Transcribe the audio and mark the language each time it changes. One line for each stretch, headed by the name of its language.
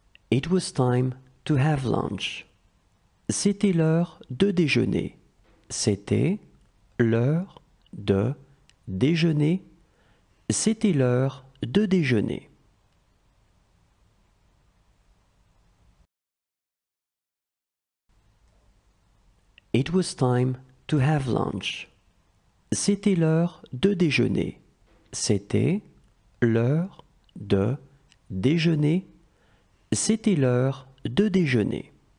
English: It was time to have lunch.
French: C'était l'heure de déjeuner. C'était l'heure de déjeuner. C'était l'heure de déjeuner.
English: It was time to have lunch.
French: C'était l'heure de déjeuner. C'était l'heure de déjeuner. C'était l'heure de déjeuner.